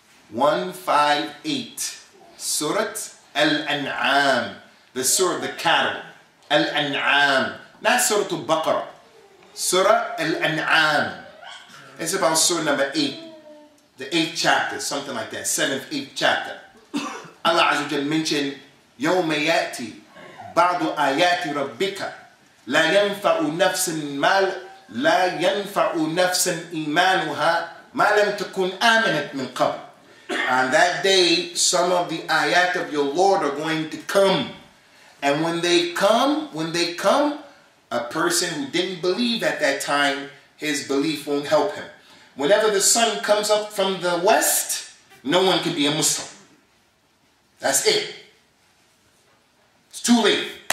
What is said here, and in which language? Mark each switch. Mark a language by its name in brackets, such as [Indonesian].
[English] 158. Surat Al-An'am. The Surah of the cattle. Al-An'am. Not Surat Al-Baqarah. Surah Al-An'am. It's about Surah number 8. The 8th chapter, something like that. 7th, 8th chapter. Allah Azza wa Jalla mentioned [Arabic] يَوْمَ يَأْتِي بَعْضُ آيَاتِ رَبِّكَ لَا يَنْفَعُ نَفْسٍ مَالْ لَا يَنْفَعُ نَفْسٍ إِيمَانُهَا مَا لَمْ تَكُنْ آمَنَتْ مِنْ قَبْلِ. [English] On that day, some of the ayat of your Lord are going to come. And when they come, a person who didn't believe at that time, his belief won't help him. Whenever the sun comes up from the west, no one can be a Muslim. That's it. It's too late.